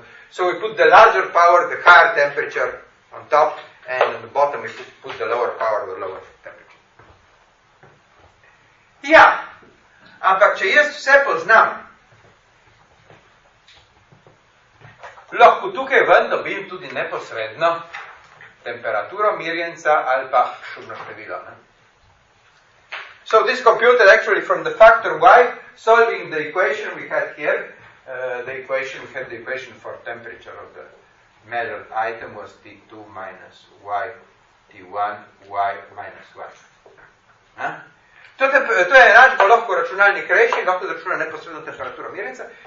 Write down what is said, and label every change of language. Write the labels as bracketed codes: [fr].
[en] So we put the larger power, the higher temperature on top, and on the bottom we put the lower power, the lower temperature. [sl] Ja, ampak če jaz vse poznam, lahko tukaj ven dobim tudi neposredno temperaturo merjenca ali pa šumno število. Ne? [en] So this computer actually from the factor Y, solving the equation we had here, the equation for temperature of the measured item was T2 minus Y, T1, Y minus Y. [sl] To je enač, bo lahko računalnik reši, lahko računa neposredno temperaturo merjenca.